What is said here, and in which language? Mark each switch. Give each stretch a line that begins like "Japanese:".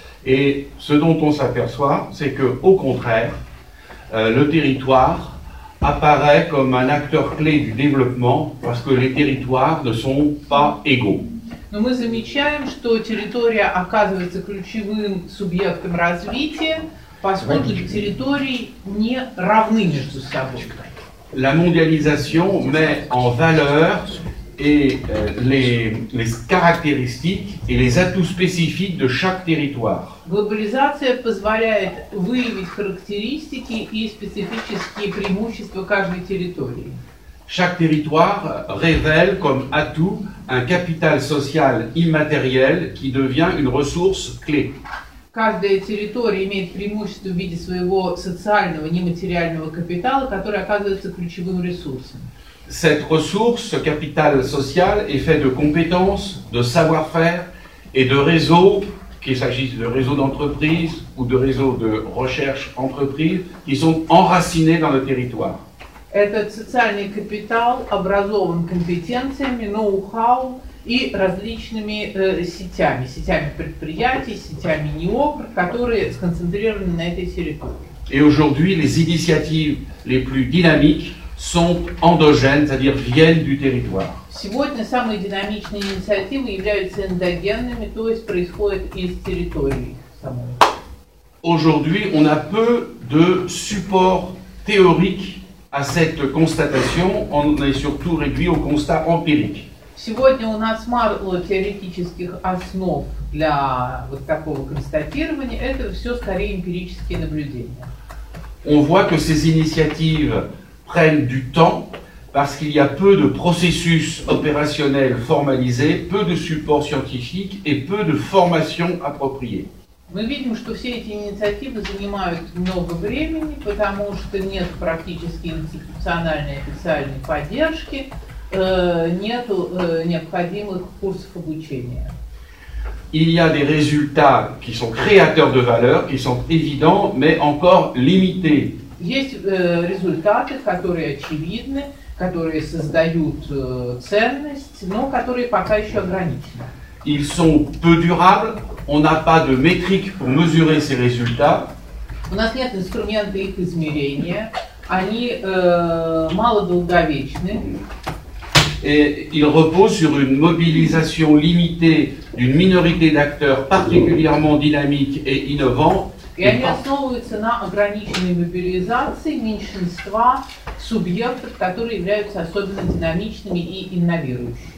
French: Et ce dont on s'aperçoit, c'est qu'au contraire, le territoire apparaît comme un acteur clé du développement parce que les territoires ne sont pas égaux.
Russian: Но мы замечаем, что территория оказывается ключевым субъектом развития, поскольку территории не равны между собой.
French: La mondialisation met en valeur et les caractéristiques et les atouts spécifiques de chaque territoire.
Russian: Глобализация позволяет выявить характеристики и специфические преимущества каждой территории.
French: Chaque territoire révèle comme atout un capital social immatériel qui devient une ressource clé.
Russian: Каждая территория имеет преимущество в виде своего социального нематериального капитала, который оказывается ключевым ресурсом.
French: Cette ressource, ce capital social, est fait de compétences, de savoir-faire et de réseaux, qu'il s'agisse de réseaux d'entreprise ou de réseaux de recherche entreprise, qui sont enracinés dans le territoire.
Russian: Этот социальный капитал образован компетенциями, ноу-хау и различными сетями, сетями предприятий, сетями НИОКР, которые сконцентрированы на этой территории.
French: Et aujourd'hui, les initiatives les plus dynamiques sont endogènes, c'est-à-dire viennent du territoire.
Russian: Сегодня самые динамичные инициативы являются эндогенными, то есть происходят из территории самой.
French: Aujourd'hui, on a peu de support théorique à cette constatation, on est surtout réduit au constat empirique.
Russian: Сегодня у нас мало теоретических основ для вот такого констатирования, это все скорее эмпирические наблюдения.
French: On voit que ces initiatives prennent du temps parce qu'il y a peu de processus opérationnels formalisés, peu de support scientifique et peu de formation appropriée.
Russian: Мы видим, что все эти инициативы занимают много времени, потому что нет практически институциональной официальной поддержки, нет необходимых курсов обучения.
French: Il y a des résultats qui sont créateurs de valeur, qui sont évidents, mais encore limités.
Russian: Есть результаты, которые очевидны, которые создают ценность, но которые пока еще ограничены.
French: Ils sont peu durables, on n'a pas de métrique pour mesurer ces résultats.
Russian: У нас нет инструмента их измерения, они мало долговечны.
French: Et ils reposent sur une mobilisation limitée d'une minorité d'acteurs particulièrement dynamiques et innovants.
Russian: И они основываются на ограниченной мобилизации меньшинства субъектов, которые являются особенно динамичными и инновирующими.